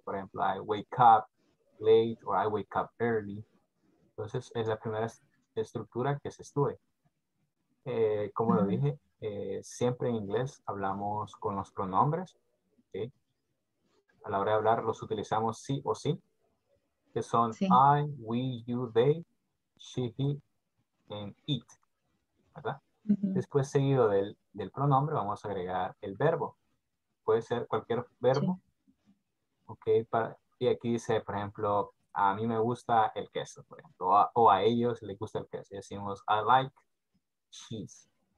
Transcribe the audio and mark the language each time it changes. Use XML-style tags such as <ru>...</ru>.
<es>Por ejemplo,</es> <en>I wake up late or I wake up early.</en> <es>Entonces, es la primera estructura que se estudia. Como lo dije, siempre en inglés hablamos con los pronombres. ¿Sí? A la hora de hablar, los utilizamos sí o sí. Que son sí.</es> <en>I, we, you, they, she, he, and it.</en> <es>¿Verdad? Después, seguido del pronombre, vamos a agregar el verbo. Puede ser cualquier verbo. Sí. Okay, y aquí dice, por ejemplo, a mí me gusta el queso, por ejemplo. O a ellos les gusta el queso. Y decimos,</es> <en>I like cheese.</en>